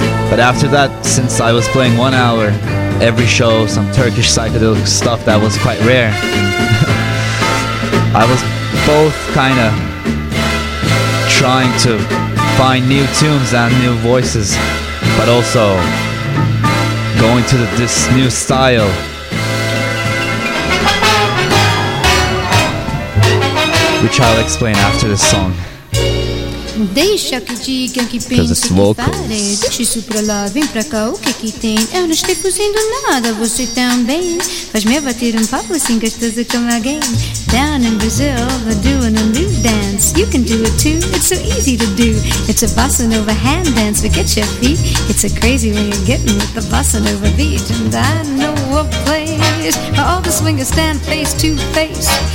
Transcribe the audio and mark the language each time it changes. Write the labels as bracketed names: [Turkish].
[English] But after that, since I was playing 1 hour every show some Turkish psychedelic stuff that was quite rare, I was both kind of trying to find new tunes and new voices, but also going to this new style. Which I'll explain after this song. [Portuguese] Deixa que digam que penso que fale. Deixa isso pra lá, vem pra cá, o que que tem? Eu não estou fazendo nada, você também. Faz-me bater papo assim gostoso como alguém. [English] Down in Brazil, we're doing a new dance. You can do it too, it's so easy to do. It's a bossa nova hand dance, forget your feet. It's a crazy way of getting with the bossa nova beat. And I know a place where all the swingers stand face to face.